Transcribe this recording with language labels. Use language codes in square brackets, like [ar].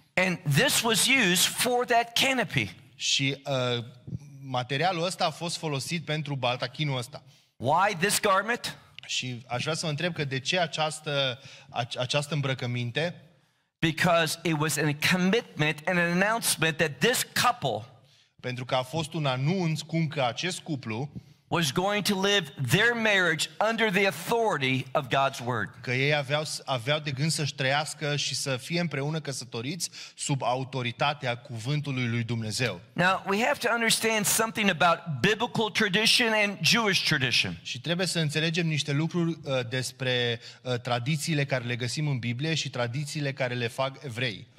[en] And this was used for that canopy. [ro] Și materialul ăsta a fost folosit pentru baltachinul ăsta. [en] Why this garment? [ro] Și aș vrea să vă întreb că de ce această îmbrăcăminte? [en] Because it was a commitment and an announcement that this couple, [ro] pentru că a fost un anunț cum că acest cuplu, [en] was going to live their marriage under the authority of God's word. [ro] Că ei aveau de gând să-și trăiască și să fie împreună căsătoriți sub autoritatea cuvântului lui Dumnezeu. [en] Now, we have to understand something about biblical tradition and Jewish tradition. [ro] Și trebuie să înțelegem niște lucruri despre tradițiile care le găsim în Biblie și tradițiile care le fac evrei.